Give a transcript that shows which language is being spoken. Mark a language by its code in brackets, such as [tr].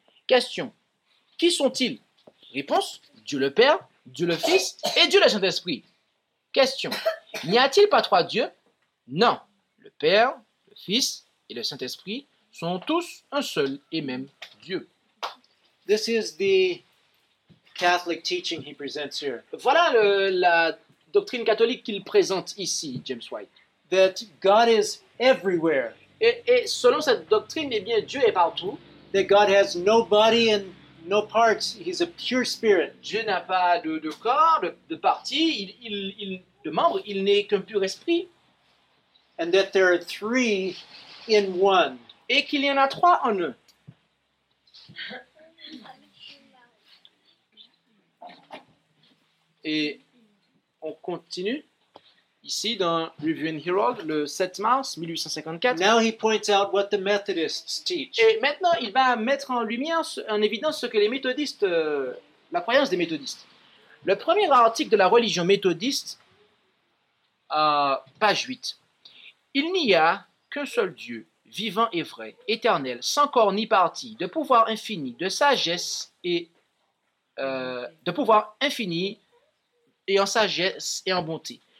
[fr] Question, qui sont-ils? Réponse, Dieu le Père, Dieu le Fils et Dieu le Saint-Esprit. Question, n'y a-t-il pas trois dieux? Non, le Père, le Fils et le Saint-Esprit sont tous un seul et même Dieu. [en] This is the Catholic teaching he presents here. [fr] Voilà la doctrine catholique qu'il présente ici, James White. [en] That God is everywhere. [fr] Et selon cette doctrine, eh bien, Dieu est partout. [en] That God has no body and no parts. He's a pure spirit. [fr] Dieu n'a pas de corps, de parties, il de membres. Il n'est qu'un pur esprit. [en] And that there are three in one. [fr] Et qu'il y en a trois en un. Et on continue ici dans Review and Herald le 7 mars 1854. [en] Now he points out what the Methodists teach. [fr] Et maintenant, il va mettre en lumière, en évidence, ce que les méthodistes, la croyance des méthodistes. Le premier article de la religion méthodiste, page 8. Il n'y a qu'un seul Dieu, vivant et vrai, éternel, sans corps ni partie, de pouvoir infini, de sagesse et de pouvoir infini et en sagesse et en bonté.